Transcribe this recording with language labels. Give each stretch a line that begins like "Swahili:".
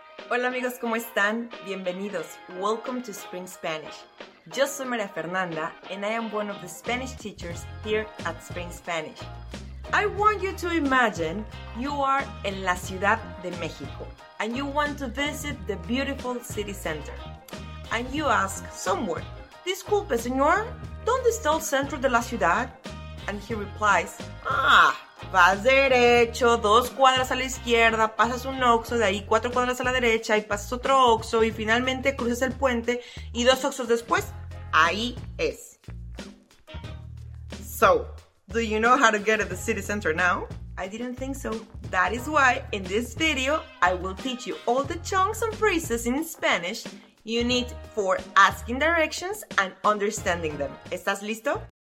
Spanish: Hola amigos, ¿cómo están? Bienvenidos.
English: Welcome to Spring Spanish.
Spanish: Yo soy
English: María Fernanda, and I am one of the Spanish teachers here at Spring Spanish. I want you to imagine you are in la Ciudad de México, and you want to visit the beautiful city center. And you ask someone,
Spanish: Disculpe, señor, ¿dónde está el centro de la ciudad? And he replies, Vas derecho, dos cuadras a la izquierda, pasas un Oxxo, de ahí cuatro cuadras a la derecha y pasas otro Oxxo y finalmente cruzas el puente y dos Oxxos después, ahí es.
English: So, do you know how to get to the city center now? I didn't think so. That is why in this video I will teach you all the chunks and phrases in Spanish you need for asking directions and understanding them.
Spanish: ¿Estás listo?